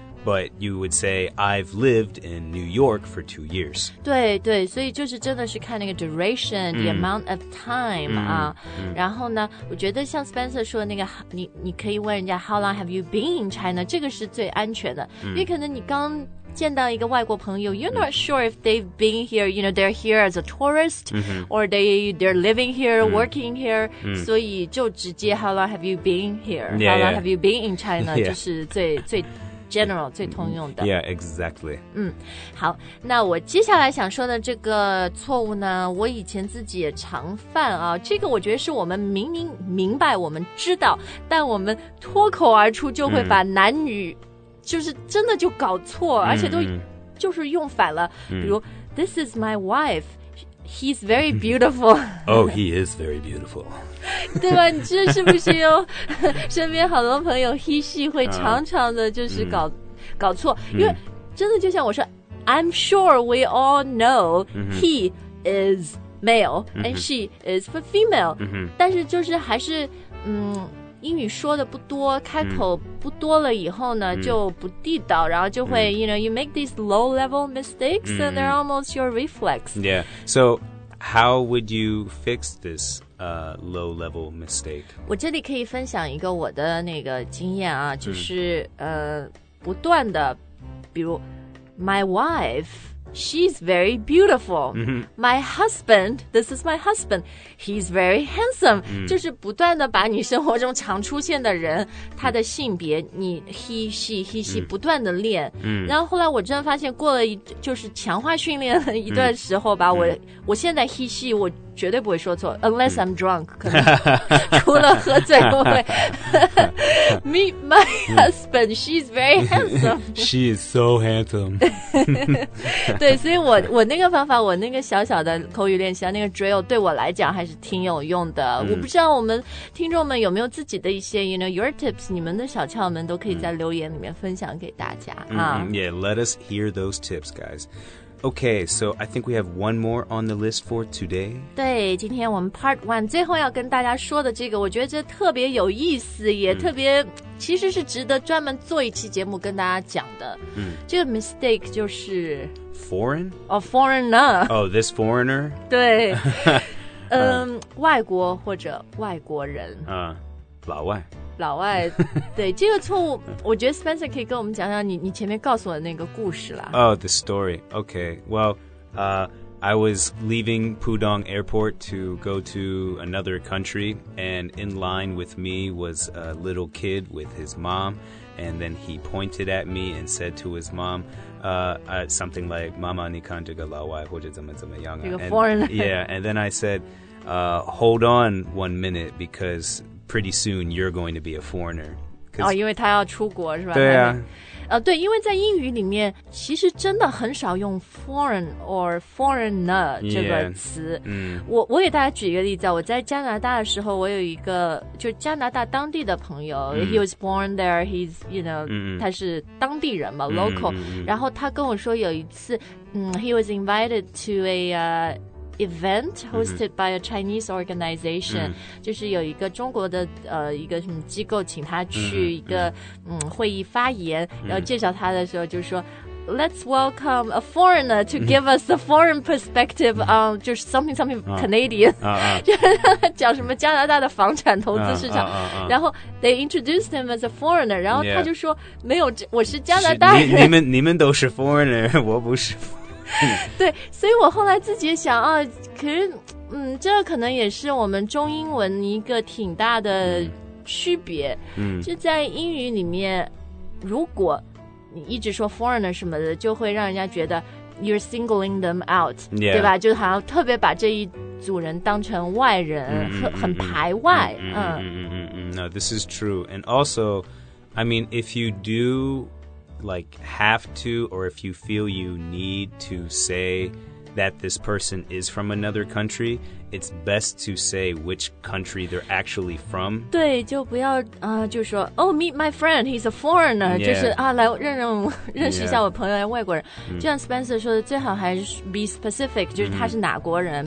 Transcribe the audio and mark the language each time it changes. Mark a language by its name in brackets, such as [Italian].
[English] But you would say, I've lived in New York for 2 years. [Chinese] 对对所以就是真的是看那个 duration,、mm. [English] the amount of time.、 [Chinese] Mm. 啊 mm. 然后呢我觉得像 Spencer 说的那个 你可以问人家 [English] how long have you been in China? [Chinese] 这个是最安全的、mm. 因为可能你刚见到一个外国朋友 you're not sure if they've been here you know they're here as a tourist、 mm-hmm. [English] or they're living here、mm-hmm. working here、 mm-hmm. [Chinese] 所以就直接 [English] how long have you been here yeah, how long yeah. have you been in China、 yeah. [Chinese] 就是最最 general 最通用的 [English] yeah exactly、 [Chinese] 嗯、好那我接下来想说的这个错误呢我以前自己也常犯啊这个我觉得是我们明明明白我们知道但我们脱口而出就会把男女、 mm-hmm. 就是真的就搞错、嗯、而且都就是用反了、嗯、 [English] 比如 This is my wife He's very beautiful Oh he is very beautiful [Chinese] 对吧你这是不是有身边好多朋友 He she 会常常的就是搞、嗯、搞错因为真的就像我说、嗯、 [English] I'm sure we all know、嗯、 He is male、嗯、 And she is for female、嗯、 [Chinese] 但是就是还是英语说的不多开口不多了以后呢、嗯、就不地道然后就会、 [English] 嗯、you know you make these low level mistakes、嗯、 and they're almost your reflex yeah so how would you fix this low level mistake [Chinese] 我这里可以分享一个我的那个经验啊就是、嗯、不断的比如 [English] my wife she's very beautiful、 mm-hmm. my husband this is my husband he's very handsome、 mm-hmm. [Chinese] 就是不断的把你生活中常出现的人他的性别你 he she he she、 mm-hmm. 不断的练、 mm-hmm. 然后后来我真的发现过了就是强化训练了一段时候吧、 mm-hmm. 我现在 he she 我绝对不会说错 [English] unless I'm drunk [Chinese] 可能除了喝醉不会 [English] Meet my husband. She's very handsome. She is so handsome. [Chinese] 对，所以我那个方法，我那个小小的口语练习，那个 drill 对我来讲还是挺有用的。我不知道我们听众们有没有自己的一些 [English] you know your tips， [Chinese] 你们的小窍门都可以在留言里面分享给大家啊。 [English] Yeah, let us hear those tips, guys. Okay, so I think we have one more on the list for today. [Chinese] 对，今天我们 part one 最后要跟大家说的这个，我觉得这特别有意思，也特别、其实是值得专门做一期节目跟大家讲的。这个 mistake 就是 [English] foreign? Oh, foreigner. Oh, this foreigner? [Chinese] 对，外国或者外国人。老外。老外，对这个错误，我觉得 Spencer 可以跟我们讲讲你前面告诉我的那个故事啦。 [English] Oh, the story. Okay. Well, I was leaving Pudong Airport to go to another country, and in line with me was a little kid with his mom, and then he pointed at me and said to his mom, something like, "Mama, [Chinese] 你看这个老外或者怎么怎么样啊? 这个 foreigner." [English] Yeah, and then I said, "Hold on one minute, because." Pretty soon, you're going to be a foreigner. [Chinese] 哦，因为他要出国是吧？对啊。对，因为在英语里面，其实真的很少用 foreign or foreigner 这个词。我给大家举一个例子，我在加拿大的时候，我有一个就加拿大当地的朋友、 [English] he was born there. He's you know, [Chinese] 他是当地人嘛 ，local. 然后他跟我说有一次， [English] he was invited to a event hosted by a Chinese organization、 [Chinese] 就是有一个中国的一个什么机构请他去一个会议发言然后介绍他的时候就说 [English] Let's welcome a foreigner to give us the foreign perspective on just something something Canadian. [Chinese] 讲什么加拿大的房产投资市场。然后 [English] they introduced him as a foreigner. [Chinese] 然后他就说没有我是加拿大人。你们都是 foreigner, 我不是。对，所以我后来自己想啊，可是，这可能也是我们中英文一个挺大的区别。就在英语里面，如果你一直说 foreigner 什么的，就会让人家觉得 [English] you're singling them out， yeah. [Chinese] 对吧？就好像特别把这一组人当成外人，很排外。 [English] No, this is true. And also, I mean, if you do. Like, have to, or if you feel you need to say that this person is from another country, it's best to say which country they're actually from. [Chinese] 对，就不要就说 [English] Oh, meet my friend, he's a foreigner. Yeah. [Chinese] 就是啊，来认识一下我朋友，外国人。就像 Spencer 说的，最好还是 [English] be specific， [Chinese] 就是他是哪国人。